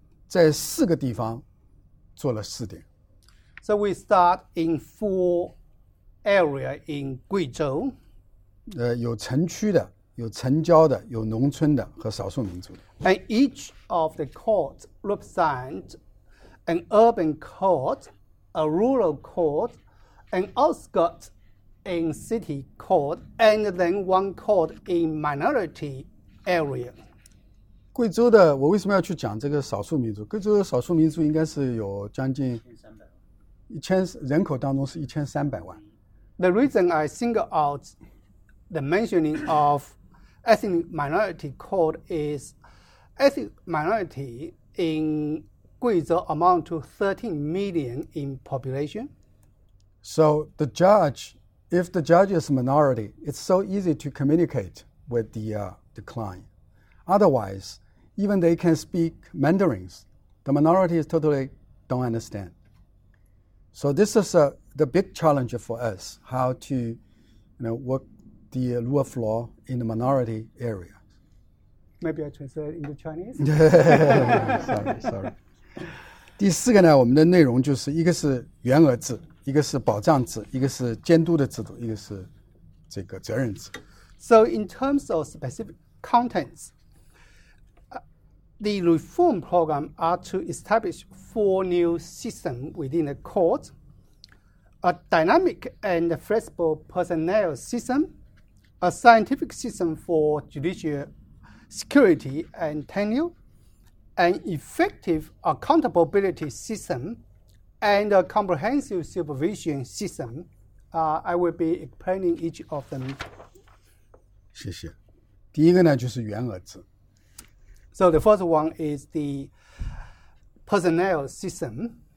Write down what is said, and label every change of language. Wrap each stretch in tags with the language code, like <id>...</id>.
<zh>第二个呢，我们在四个地方做了试点。</zh> <en>So we start in four areas in Guizhou.</en> <zh>有城区的、有城郊的、有农村的和少数民族的。</zh> <en>And each of the courts represents an urban court, a rural court, an outskirts in city court, and then one court in minority area.</en> <zh>贵州的，我为什么要去讲这个少数民族？贵州的少数民族应该是有将近1300万。</zh> <en>The reason I single out the mentioning of ethnic minority court is ethnic minority in Guizhou amount to 13 million in population. So the judge, if the judge is a minority, it's so easy to communicate with the client. Otherwise, even they can speak Mandarins, the minority is totally don't understand. So this is the big challenge for us, how to work the rule of law in the minority area. Maybe I translate into Chinese? sorry.</en> <zh>第四个呢, 我们的内容就是, 一个是原额制, 一个是保障制, 一个是监督的制度, 一个是这个责任制。</zh> <en>So in terms of specific contents, the reform program are to establish four new systems within the court, a dynamic and flexible personnel system, a scientific system for judicial security and tenure, an effective accountability system, and a comprehensive supervision system. I will be explaining each of them.</en> <zh>谢谢。第一个呢，就是原额制。</zh> <en>So the first one is the personnel system.</en>